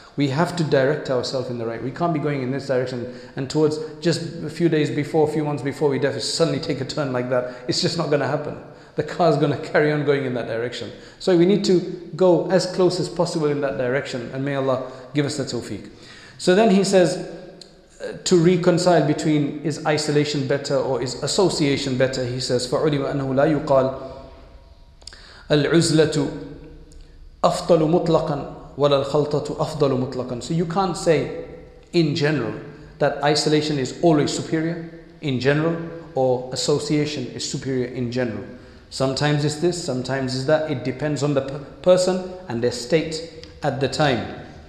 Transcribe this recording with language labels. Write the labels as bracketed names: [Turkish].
[English] We have to direct ourselves in the right. We can't be going in this direction and towards just a few days before, a few months before, we definitely suddenly take a turn like that. It's just not going to happen. The car is going to carry on going in that direction. So we need to go as close as possible in that direction, and may Allah give us the tawfiq. So then he says, to reconcile between, is isolation better or is association better? He says, [Arabic] فَعُلِمَ أَنَّهُ لَا يُقَالَ العزلة أفضل مطلقا ولا الخلطة أفضل مطلقا. [English] So you can't say in general that isolation is always superior in general or association is superior in general. Sometimes it's this, sometimes it's that. It depends on the person and their state at the time.